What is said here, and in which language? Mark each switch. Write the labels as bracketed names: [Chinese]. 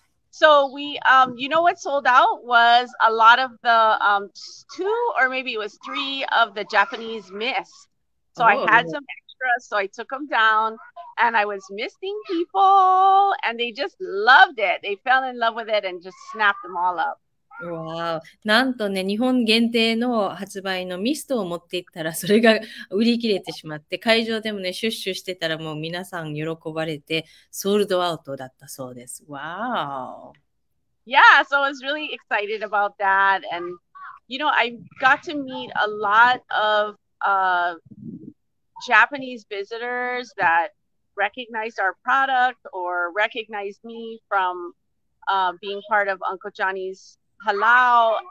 [English] So what sold out was a lot of the two or maybe it was three of the Japanese mist. So I had Oh. some extras, so I took them down and I was misting people and they just loved it. They fell in love with it and just snapped them all up. Wow. [Japanese] なんとね、日本限定の発売のミストを持っていったら、それが売り切れてしまって、会場でもね、シュッシュしてたら、もう皆さん喜ばれて、ソールドアウトだったそうです。 [English] Wow. Yeah, so I was really excited about that. And, I got to meet a lot of Japanese visitors that recognized our product or recognized me from being part of Uncle Johnny's Halal.